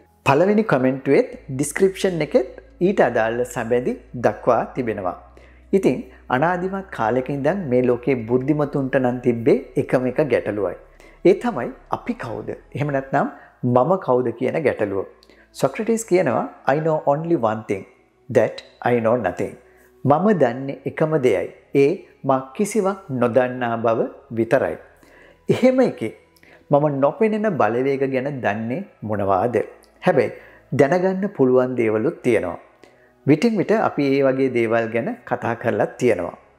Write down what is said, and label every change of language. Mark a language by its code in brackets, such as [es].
[si] පළවෙනි කමෙන්ටුවෙත් ඩිස්ක්‍රිප්ෂන් එකෙත් ඊට අදාළ සැබැඳි දක්වා තිබෙනවා. ඉතින් අනාදිමත් කාලෙක ඉඳන් මේ ලෝකේ බුද්ධිමතුන්ට නම් තිබ්බේ එකම එක ගැටලුවයි. ඒ තමයි අපි කවුද, එහෙම නැත්නම් මම කවුද කියන ගැටලුව. සොක්‍රටිස් කියනවා [en] I know only one thing, that I know nothing. [si] මම දන්නේ එකම දෙයයි, ඒ මා කිසිවක් නොදන්නා බව විතරයි. එහෙම එකේ මම නොපෙනෙන බලවේග ගැන දන්නේ මොනවාද? හැබැයි දැනගන්න පුළුවන් දේවලුත් තියෙනවා. විටින් විට අපි ඒ වගේ දේවල් ගැන කතා කරලා තියෙනවා.